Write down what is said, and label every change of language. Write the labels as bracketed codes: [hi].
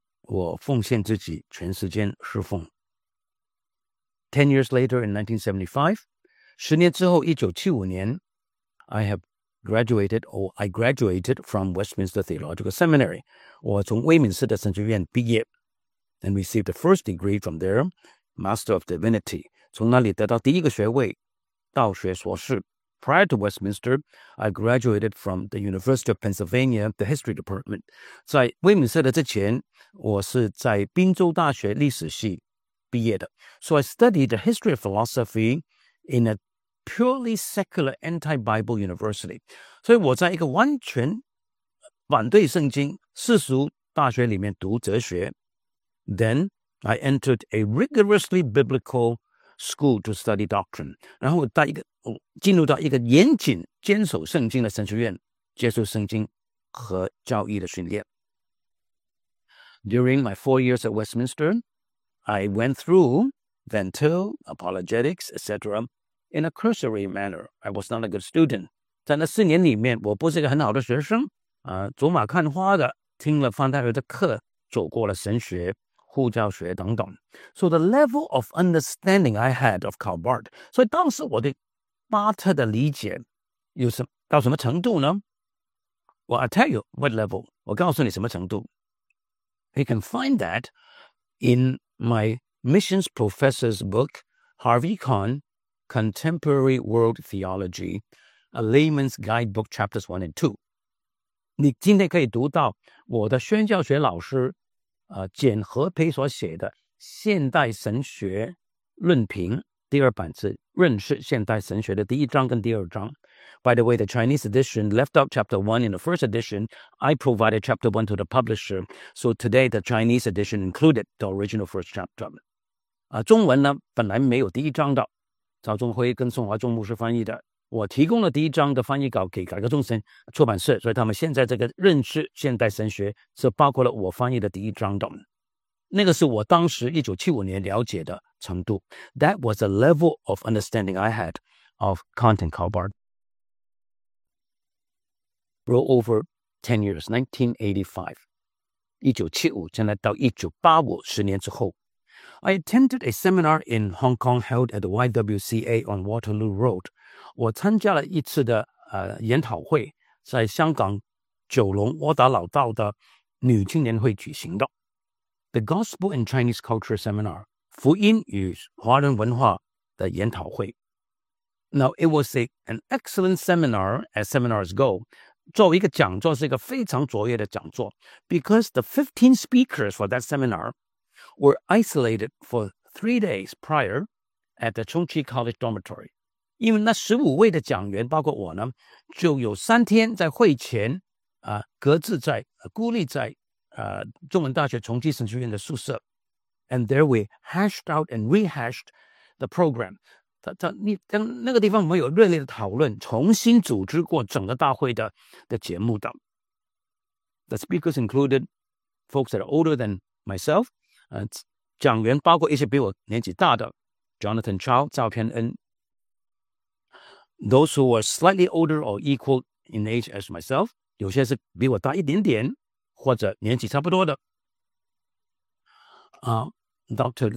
[zh] 我奉献自己全时间侍奉。 [en] 10 years later in 1975, [zh] 十年之后1975年 [en] I graduated from Westminster Theological Seminary. [zh] 我从威敏斯特神学院毕业 [en] and received the first degree from there, Master of Divinity. [zh] 从那里得到第一个学位道学硕士。 [en] Prior to Westminster, I graduated from the University of Pennsylvania, the History Department. [zh] 在威敏斯特之前我是在宾州大学历史系毕业的。 [en] So I studied the history of philosophy in a purely secular anti-Bible university. [zh] 所以我在一个完全反对圣经世俗大学里面读哲学。 [en] Then I entered a rigorously biblical school to study doctrine. [zh] 然后我到一个进入到一个严谨坚守圣经的神学院接受圣经和教义的训练。 [en] During my 4 years at Westminster, I went through Van Til, apologetics, etc. in a cursory manner. I was not a good student. [zh] 在那四年里面，我不是一个很好的学生。走马看花的听了范戴尔的课，走过了神学、护教学等等。 [en] So the level of understanding I had of Karl Barth. [zh] 所以当时我对巴特的理解有什么到什么程度呢 [en] ？Well, I tell you what level. [zh] 我告诉你什么程度。 [en] You can find that in my missions professor's book, Harvey Kahn, Contemporary World Theology, A Layman's Guidebook, Chapters 1 and 2. [zh] 你今天可以读到我的宣教学老师、简和培所写的《现代神学论评》 第二版是认识现代神学的第一章跟第二章。 [en] By the way, the Chinese edition left out chapter 1 in the first edition. I provided chapter 1 to the publisher. So today, the Chinese edition included the original first chapter. [zh] 中文呢本来没有第一章的。赵中辉跟宋华中牧师翻译的。我提供了第一章的翻译稿给改革众神出版社。所以他们现在这个认识现代神学是包括了我翻译的第一章的。那个是我当时1975年了解的程度。 [en] That was the level of understanding I had of Kanten Kalbart. Roll over 10 years, 1985, 1975, [zh] 现在到1985, 10年之后。 [en] I attended a seminar in Hong Kong held at the YWCA on Waterloo Road. [zh] 我参加了一次的研讨会在香港九龙窝打老道的女青年会举行的。 [en] The Gospel and Chinese Culture Seminar, [zh] 福音与华人文化的研讨会。 [en] Now, it was an excellent seminar as seminars go, [zh] 作为一个讲座是一个非常卓越的讲座 [en] because the 15 speakers for that seminar were isolated for 3 days prior at the Chongqing College Dormitory. [zh] 因为那15位的讲员包括我呢就有三天在会前隔置在孤立在中文大学重庆神学院的宿舍。 [en] And there we hashed out and rehashed the program. [zh] 那个地方我们有热烈的讨论重新组织过整个大会 的节目的。 [en] The speakers included folks that are older than myself, [zh] 讲员包括一些比我年纪大的 [en] Jonathan Chow, 赵天恩 those who were slightly older or equal in age as myself, [zh] 有些是比我大一点点或者年纪差不多的、 [en] Dr.